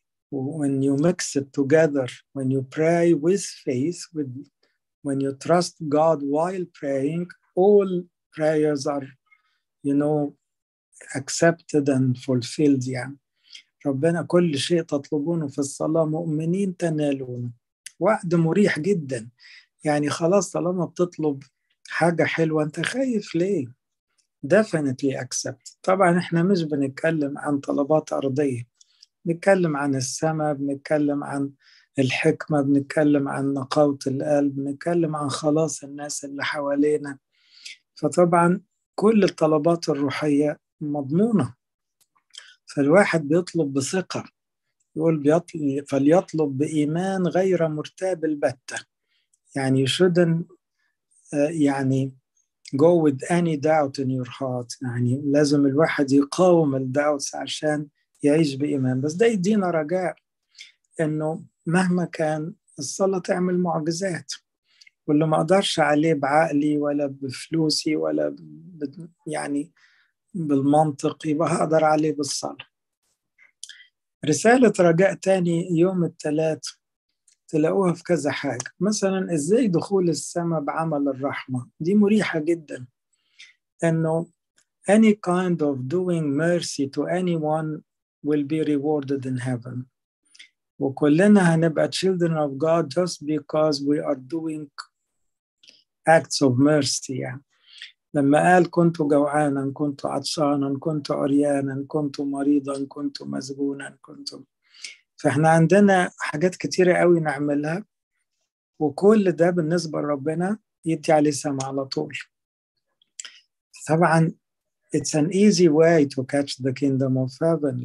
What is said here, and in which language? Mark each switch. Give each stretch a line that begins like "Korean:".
English: When you mix it together, when you pray with faith, with, when you trust God while praying, all prayers are, you know, accepted and fulfilled.
Arabic: يعني ربنا كل شيء تطلبونه في الصلاة مؤمنين تنالونه. وعد مريح جدا، يعني خلاص طالما بتطلب حاجة حلوة انت خايف ليه؟
English: definitely accept.
Arabic: طبعا احنا مش بنتكلم عن طلبات أرضية، بنتكلم عن السماء، بنتكلم عن الحكمة، بنتكلم عن نقاوة القلب، بنتكلم عن خلاص الناس اللي حوالينا. فطبعا كل الطلبات الروحية مضمونة، فالواحد بيطلب بثقة، يقول فليطلب بإيمان غير مرتاب البتة. يعني
English: you shouldn't يعني go with any doubt in your heart.
Arabic: يعني لازم الواحد يقاوم الدوتس عشان يعيش بإيمان. بس ده يدينا رجاء إنه مهما كان الصلاة تعمل معجزات، واللي ما أقدرش عليه بعقلي ولا بفلوسي ولا يعني بالمنطق يبقى هقدر عليه بالصلاة. رسالة رجاء تاني يوم الثلاث تلاقوها في كذا حاجة. مثلا إزاي دخول السماء بعمل الرحمة، دي مريحة جدا. إنه
English: any kind of doing mercy to anyone will be rewarded in heaven.
Arabic: وكلنا هنبقى
English: children of God just because we are doing acts of mercy.
Arabic: لما قال كنت جوعانا، كنت عطشانا، كنت عريانا، كنت مريضا، كنت مسجونا، كنت، فاحنا عندنا حاجات كتيرة قوي نعملها، وكل ده بالنسبة لربنا يدي عليه سما على طول. طبعا
English: it's an easy way to catch the kingdom of heaven.